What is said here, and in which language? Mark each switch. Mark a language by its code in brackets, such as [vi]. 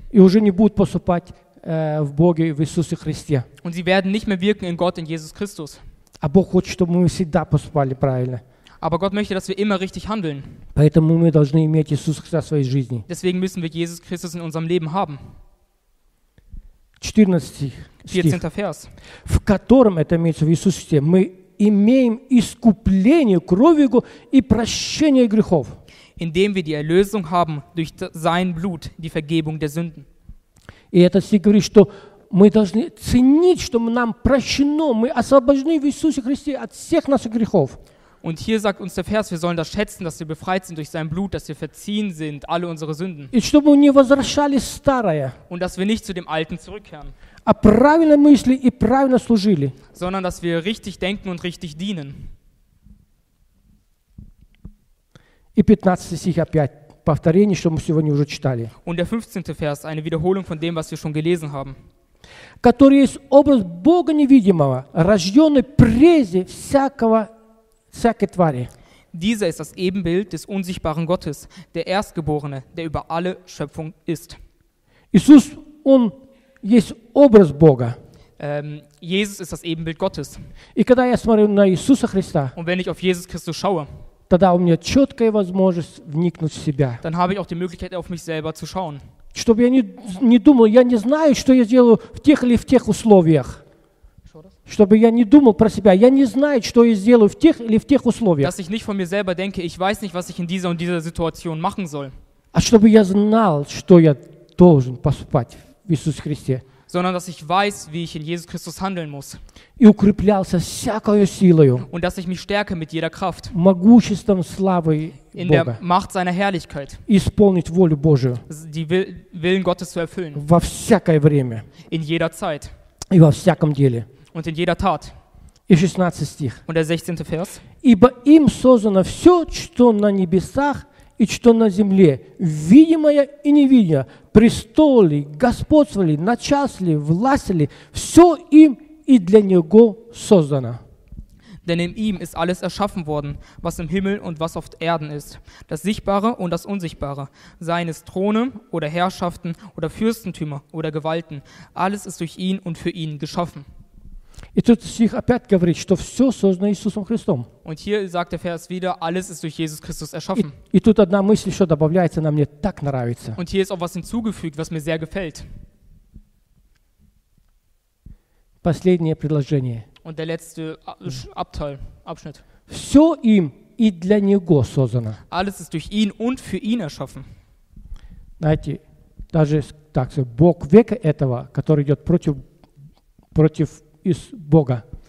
[ru] И уже не будут поступать в Боге в Иисусе Христе. [de] Und sie werden nicht mehr wirken in Gott, in Jesus Christus. [ru] А Бог хочет, чтобы мы всегда поступали правильно. [de] Aber Gott möchte, dass wir immer richtig handeln. [ru] Поэтому мы должны иметь Иисуса Христа в своей жизни. [de] Deswegen müssen wir Jesus Christus in unserem Leben haben. 14. Vers. [ru] В котором это имеется в Иисусе Христе, мы имеем искупление кровью Его и прощение грехов. [de] Indem wir die Erlösung haben durch sein Blut, die Vergebung der Sünden. [ru] И этот стих говорит, что мы должны ценить, что нам прощено, мы освобождены в Иисусе Христе от всех наших грехов. [de] Und hier sagt uns der Vers, wir sollen das schätzen, dass wir befreit sind durch sein Blut, dass wir verziehen sind, alle unsere Sünden. [ru] И чтобы мы не возвращались в старое. [de] Und dass wir nicht zu dem Alten zurückkehren. [ru] А правильно мысли и правильно служили. [de] Sondern dass wir richtig denken und richtig dienen. [ru] И 15 стих опять. Повторение, что мы сегодня уже читали. [de] Und der 15. Vers, eine Wiederholung von dem, was wir schon gelesen haben. [ru] Который есть образ Бога невидимого, рожденный прежде всякой твари. [de] Dieser ist das Ebenbild des unsichtbaren Gottes, der Erstgeborene, der über alle Schöpfung ist. [ru] Иисус, он есть образ Бога. [de] Jesus ist das Ebenbild Gottes. [ru] И когда я смотрю на Иисуса Христа, [de] und wenn ich auf Jesus Christus schaue, [ru] тогда у меня четкая возможность вникнуть в себя. [de] Dann habe ich auch die Möglichkeit, auf mich selber zu schauen. [ru] Чтобы я не думал, я не знаю, что я сделаю в тех или в тех условиях. Чтобы я не думал про себя, я не знаю, что я сделаю в тех или в тех условиях. [de] Dass ich nicht von mir selber denke, ich weiß nicht, was ich in dieser und dieser Situation machen soll. [ru] А чтобы я знал, что я должен поступать в Иисусе Христе. [de] Sondern dass ich weiß, wie ich in Jesus Christus handeln muss. [ru] И укреплялся всякою силою. [de] Und dass ich mich stärke mit jeder Kraft. [ru] Могуществом славы Бога. [de] In der Macht seiner Herrlichkeit. [ru] Исполнить волю Божию. [de] Die Willen Gottes zu erfüllen. [ru] Во всякое время. [de] In jeder Zeit. [ru] И во всяком деле. [de] Und in jeder Tat. [ru] И 16 стих. [de] Und der 16. Vers. [ru] Ибо им создано все, что на небесах и что на земле, видимое и невидимое, престоли, господствовали, начальствовали, властвовали, все им и для него создано. [de] Denn in ihm ist alles erschaffen worden, was im Himmel und was auf Erden ist, das Sichtbare und das Unsichtbare, seien es Throne oder Herrschaften oder Fürstentümer oder Gewalten, alles ist durch ihn und für ihn geschaffen. [ru] И тут стих опять говорит, что все создано Иисусом Христом. [de] Und hier sagt der Vers wieder, alles ist durch Jesus Christus erschaffen. [ru] И тут одна мысль, что добавляется, она мне так нравится. [de] Und hier ist auch was hinzugefügt, was mir sehr gefällt. [ru] Последнее предложение. [de] Und der letzte Abschnitt. [ru] Все им и для него создано. [de] Alles ist durch ihn und für ihn erschaffen. [ru] Знаете, даже так, Бог века этого, который идет против [de] ist [ru] Бога.